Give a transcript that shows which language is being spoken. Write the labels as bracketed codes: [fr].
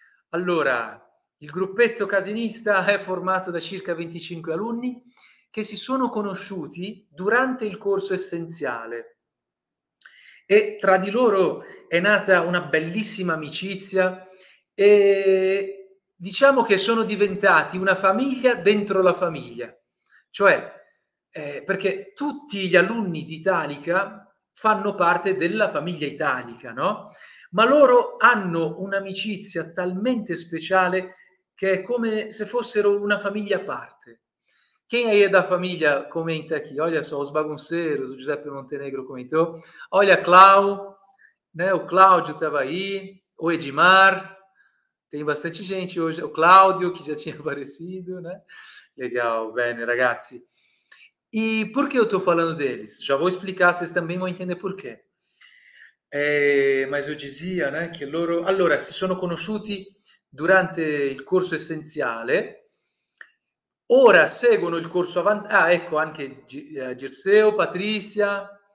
[it] Allora, il gruppetto casinista è formato da circa 25 alunni che si sono conosciuti durante il corso essenziale e tra di loro è nata una bellissima amicizia e diciamo che sono diventati una famiglia dentro la famiglia, cioè perché tutti gli alunni di Italica fanno parte della famiglia Italica, no? Ma loro hanno un'amicizia talmente speciale che è come se fossero una famiglia a parte. [pt] Quem aí é da família, comenta aqui. Olha só, os bagunceiros, o Giuseppe Montenegro comentou. Olha, Clau, né? O Cláudio estava aí, o Edmar, tem bastante gente hoje. O Cláudio, que já tinha aparecido, né? Legal, [it] bene, ragazzi. [pt] E por que eu estou falando deles? Já vou explicar, vocês também vão entender por quê. É, mas eu dizia, né, [it] che loro. Allora, si sono conosciuti durante il corso essenziale. Ora seguono il corso avanti. Ah, ecco, anche Girseo, Patrizia.